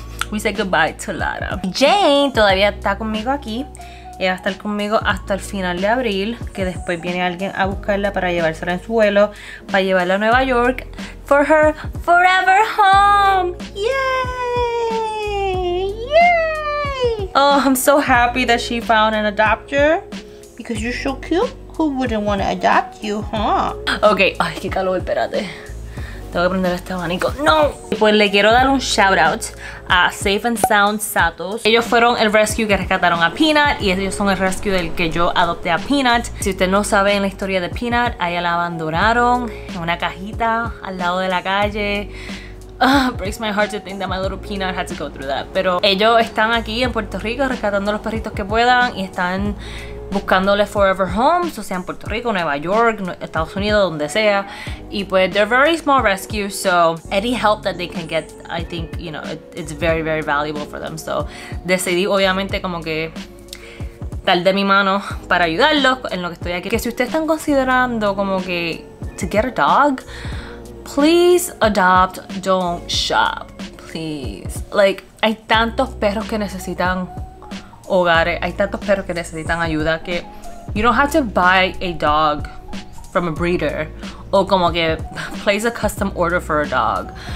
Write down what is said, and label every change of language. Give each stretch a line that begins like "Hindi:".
English: we say goodbye to Lara. Jane
Spanish: todavía está conmigo aquí. Ella va a estar conmigo hasta el final de abril, que después viene alguien a buscarla para llevársela en su vuelo, para llevarla a Nueva York
English: for her forever home. Yay! Yay! Oh, I'm so happy that she found an adopter. Because you're so cute. Who wouldn't want to adopt you, huh? Okay.
Spanish: Ay, qué calor, espérate. Tengo que prender este abanico. ¡No! Pues le quiero dar un shout out a Safe and Sound Satos. Ellos fueron el rescue que rescataron a Peanut. Y ellos son el rescue del que yo adopté a Peanut. Si ustedes no saben la historia de Peanut, a ella la abandonaron en una cajita al lado de la calle.
English: Breaks my heart to think that my little Peanut had to go through that.
Spanish: Pero ellos están aquí en Puerto Rico rescatando los perritos que puedan. Y están buscándole forever homes, o sea en Puerto Rico, Nueva York, Estados Unidos, donde sea. Y pues,
English: they're very small rescue, so any help that they can get, I think, you know, it's very, very valuable for them. So,
Spanish: decidí obviamente como que dar de mi mano para ayudarlos en lo que estoy aquí. Que si ustedes están considerando como que
English: to get a dog, please adopt, don't shop, please. Like,
Spanish: hay tantos perros que necesitan hogares, hay tantos perros que necesitan ayuda que
English: you don't have to buy a dog from a breeder
Spanish: o como que
English: place a custom order for a dog.